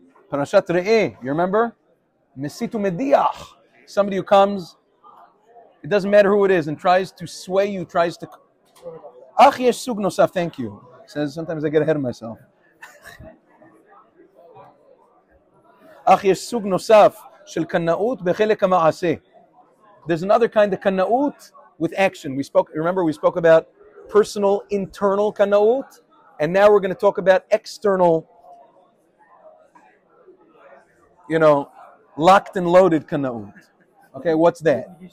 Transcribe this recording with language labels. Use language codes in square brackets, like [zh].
[en] Parashat Re'eh, you remember? [he] Mesitu mediach. [en] Somebody who comes, it doesn't matter who it is, and tries to sway you, tries to... [he] Ach yesh sug nosaf, [en] thank you. Says, sometimes I get ahead of myself. [he] אך יש סוג נוסף של קנאות בחלק המעשה. [en] There's another kind of קנאות with action. We spoke, remember we spoke about personal internal קנאות, and now we're going to talk about external, you know, locked and loaded קנאות. Okay, what's that?